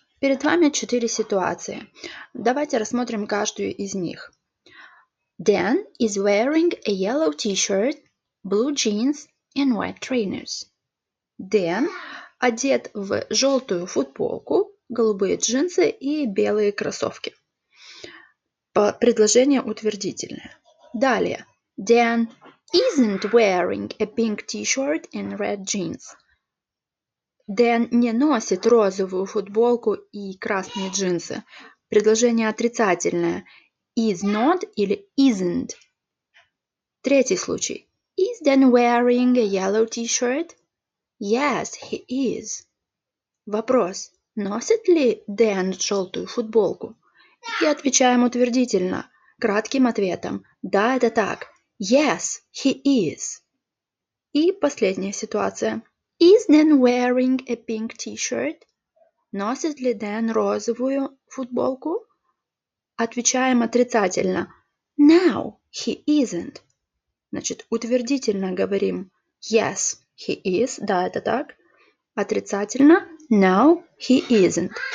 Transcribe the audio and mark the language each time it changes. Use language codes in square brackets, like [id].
[ru] Перед вами четыре ситуации. Давайте рассмотрим каждую из них. [en] Dan is wearing a yellow t-shirt, blue jeans and white trainers. [ru] Dan одет в желтую футболку, голубые джинсы и белые кроссовки. Предложение утвердительное. Далее. [en] Dan isn't wearing a pink t-shirt and red jeans. [ru] Дэн не носит розовую футболку и красные джинсы. Предложение отрицательное. [en] Is not или isn't. [ru] Третий случай. [en] Is Dan wearing a yellow t-shirt? Yes, he is. [ru] Вопрос. Носит ли Дэн желтую футболку? И отвечаем утвердительно. Кратким ответом. Да, это так. [en] Yes, he is. [ru] И последняя ситуация. [en] Is Dan wearing a pink t-shirt? [ru] Носит ли Дэн розовую футболку? Отвечаем отрицательно. [en] No, he isn't. [ru] Значит, утвердительно говорим. [en] Yes, he is. [ru] Да, это так. Отрицательно. [en] No, he isn't.